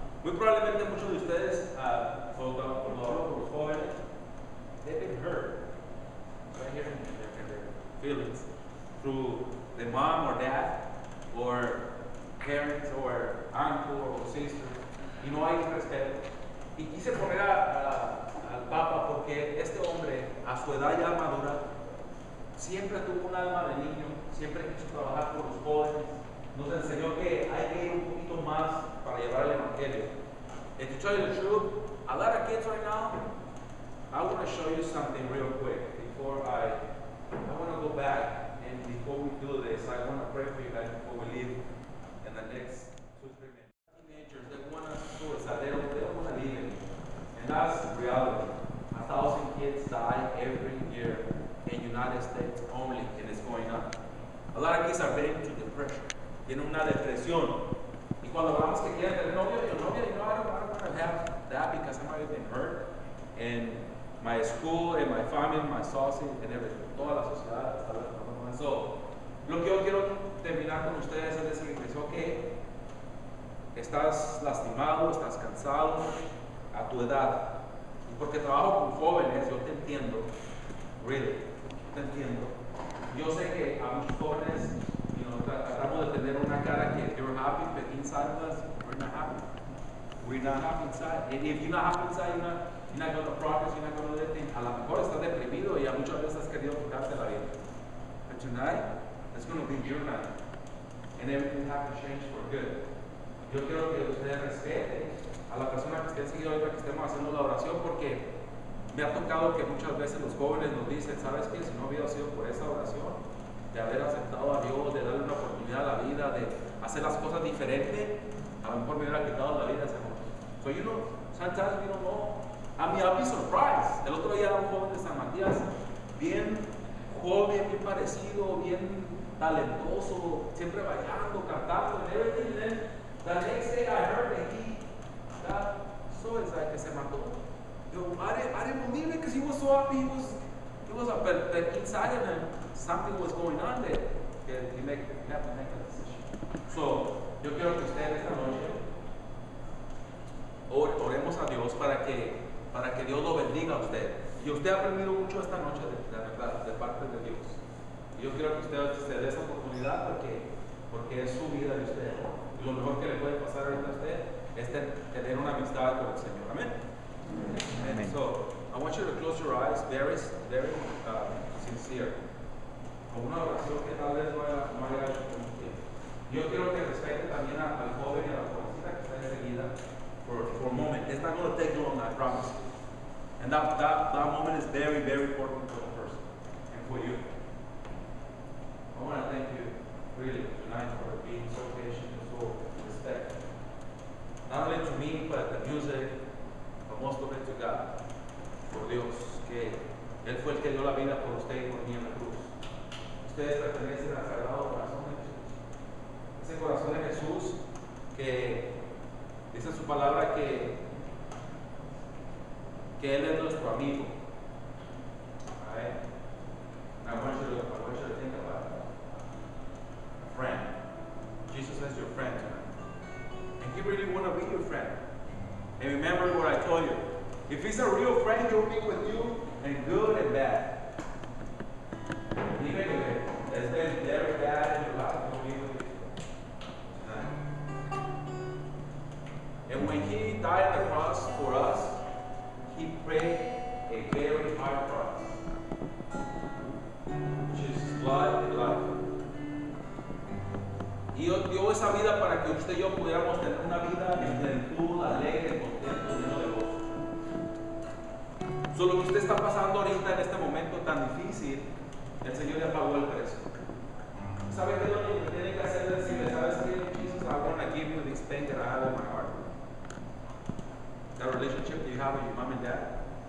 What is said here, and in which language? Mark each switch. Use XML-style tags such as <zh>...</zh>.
<es>Muy probablemente muchos de ustedes, por los jóvenes,</es> <en>they've been hurt, right here in their feelings, through the mom or dad, or parents, or uncle, or sister,</en> <es>y no hay respeto. Y quise poner al Papa porque este hombre, a su edad ya madura, siempre tuvo un alma de niño, siempre quiso trabajar con los jóvenes, nos enseñó que hay que ir un poquito más para llevar el evangelio.</es> <en>And to tell you the truth, a lot of kids right now, I want to show you something real quick before I want to go back, and before we do this, I want to pray for you guys before we leave in the next 2-3 minutes. Teenagers, they want to suicide, they don't want to leave anymore. And that's the reality. 1,000 kids die every year in the United States only, and it's going up. A lot of kids are getting into depression.</en> <es>Tienen una depresión. Y cuando hablamos que quieren tener novio,</es> <en>you know, I don't want to have that because I might have been hurt. And my school and my family, my society and everything.</en> <es>Toda la sociedad está hablando con eso. Lo que yo quiero terminar con ustedes es decirles, ok, estás lastimado, estás cansado a tu edad. Porque trabajo con jóvenes, yo te entiendo. Really, te entiendo. Yo sé que a muchos jóvenes,</es> <en>you know,</en> <es>tratamos de tener una cara que</es> <en>you're happy, but inside of us, we're not happy. We're not happy inside. And if you're not happy inside, you're not going to progress, you're not going to do anything.</en> <es>A lo mejor estás deprimido y a muchas veces has querido quitarte la vida.</es> <en>But tonight, it's going to be your night. And everything has to change for good.</en> <es>Yo quiero que ustedes respeten a la persona que esté enseguida hoy para que estemos haciendo la oración, porque me ha tocado que muchas veces los jóvenes nos dicen, ¿sabes qué? Si no hubiera sido por esa oración, de haber aceptado a Dios, de darle una oportunidad a la vida, de hacer las cosas diferente, a lo mejor me hubiera quitado la vida ese joven.</es> <en>So you know, sometimes we don't know. I mean, I'll be surprised.</en> <es>El otro día era un joven de San Matías, bien joven, bien parecido, bien talentoso, siempre bailando, cantando,</es> <en>and everything. And then the next day I heard that he got so excited</en> <es>que se mató.</es> <en>Yo, I didn't believe it because he was so happy. He was up, but inside of him, something was going on there. He had to make a decision.</en> <es>So, yo quiero que ustedes esta noche oremos a Dios para que Dios lo bendiga a usted. Y usted ha aprendido mucho esta noche de parte de Dios. Y yo quiero que usted se dé esa oportunidad porque es su vida de usted. Y lo mejor que le puede pasar ahorita a usted es tener una amistad con el Señor. Amén. Amen.</es> <en>So, I want you to close your eyes, very sincere.</en> <es>Con una oración que tal vez no haya hecho con usted. Yo quiero que respete también al joven y a la jovencita que está enseguida.</es> <en>For a moment. It's not going to take long, I promise you. And that moment is very, very important for the person and for you. I want to thank you, really, tonight for being so patient and so respectful. Not only to me, but the music. Most of it to God,</en> <es>por Dios, que Él fue el que dio la vida por usted y por mí en la cruz. Ustedes pertenecen al Sagrado Corazón de Jesús. Ese corazón de Jesús que dice su palabra que Él es nuestro amigo.</es> <en>Amen. And I want you to think about a friend. Jesus is your friend tonight. And He really want to be your friend. And remember what I told you. If he's a real friend, he'll be with you in good and bad. Even if it's been very bad in your life, he'll be with you tonight. And when he died on the cross for us, he prayed a very hard cross. Which is blood and life.</en> <es>Y dio esa vida para que usted y yo pudiéramos tener una vida en plenitud, alegre, contento, lleno de gozo. Solo que usted está pasando ahorita en este momento tan difícil, el Señor ya pagó el precio. ¿Sabe qué es lo que tiene que hacer? Decirle, ¿sabes qué?</es> <en>Jesus, I want to give you this thing that I have in my heart. That relationship that you have with your mom and dad.</en>